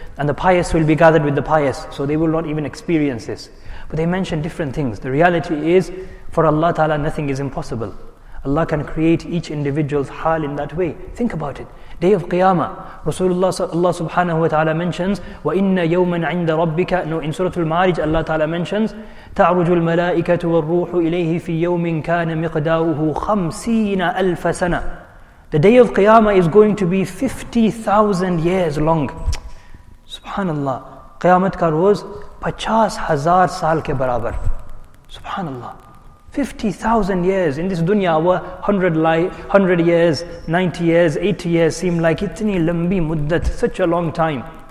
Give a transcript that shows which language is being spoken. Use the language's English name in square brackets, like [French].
[English] And the pious will be gathered with the pious. So they will not even experience this. But they mention different things. The reality is, for Allah Ta'ala, nothing is impossible. Allah can create each individual's hal in that way. Think about it. Day of Qiyamah, Rasulullah subhanahu wa ta'ala mentions, [Arabic] وَإِنَّ يَوْمًا عِنْدَ رَبِّكَ. [English] No, in Surah Al-Ma'arij, Allah Ta'ala mentions, [Arabic] تَعْرُجُ الْمَلَائِكَةُ وَالْرُوحُ إِلَيْهِ فِي يَوْمٍ كَانَ مِقْدَاوهُ خَمْسِينَ أَلْفَ سَنَةً. [English] The Day of Qiyamah is going to be 50,000 years long. Subhanallah. [Urdu] Qiyamat ka roz, 50,000 saal ke barabar. [English] Subhanallah. 50,000 years. In this dunya, 100 years, 90 years, 80 years seem like [Urdu] itni lambi muddat, [English] such a long time.